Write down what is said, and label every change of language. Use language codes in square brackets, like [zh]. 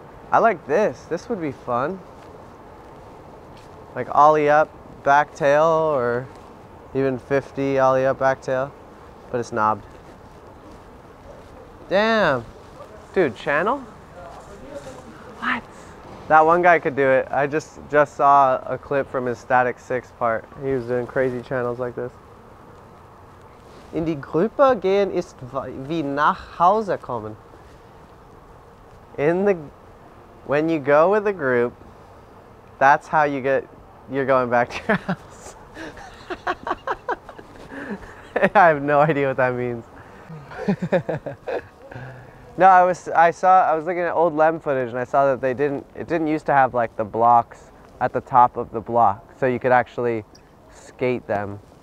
[en] I like this. This would be fun. Like ollie up, back tail, or even 50 ollie up, back tail, but it's knobbed. Damn. Dude, channel? What? That one guy could do it. I just saw a clip from his Static 6 part. He was doing crazy channels like this. [de] In die Gruppe gehen ist wie nach Hause kommen. [en] When you go with a group, that's how you get, you're going back to your house. I have no idea what that means. No, I was looking at old Lem footage and I saw that it didn't used to have like the blocks at the top of the block so you could actually skate them.